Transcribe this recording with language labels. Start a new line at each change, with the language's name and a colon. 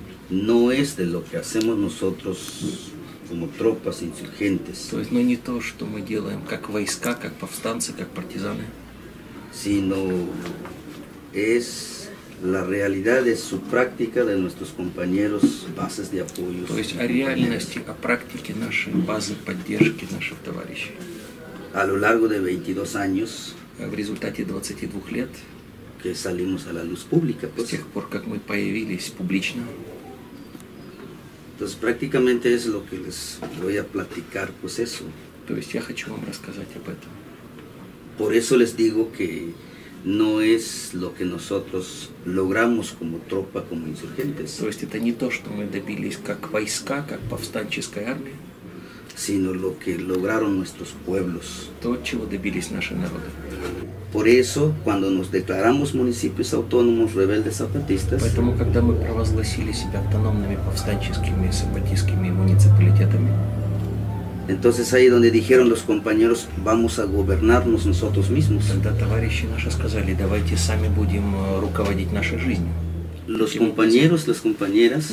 Spanish: No es de lo que hacemos nosotros como tropas insurgentes. Entonces, no es lo que hacemos como
Russian: войска,
Spanish: como
Russian: повстанцы,
Spanish: como
Russian: партизаны.
Spanish: Sino es la realidad de su práctica de nuestros compañeros bases de apoyo.
Russian: То есть о реальности, о практике нашей базы поддержки наших товарищей.
Spanish: A lo largo de 22 años.
Russian: В результате 22 лет.
Spanish: Que salimos a la luz pública.
Russian: С тех пор, как мы появились публично.
Spanish: Entonces prácticamente es lo que les voy a platicar, pues eso.
Russian: То есть я хочу вам рассказать об этом.
Spanish: Por eso les digo que no es lo que nosotros logramos como tropa, como insurgentes.
Russian: То есть это не то, что мы добились как войска, как повстанческая армия.
Spanish: Sino lo que lograron nuestros pueblos.
Russian: То, чего добились наши народы.
Spanish: Por eso, cuando nos declaramos municipios autónomos rebeldes zapatistas.
Russian: Поэтому, когда мы провозгласили себя автономными повстанческими сапатистскими муниципалитетами.
Spanish: Entonces ahí donde dijeron los compañeros, vamos a gobernarnos nosotros mismos.
Russian: Тогда товарищи наши сказали, давайте сами будем руководить нашей жизнью.
Spanish: Los compañeros, las compañeras.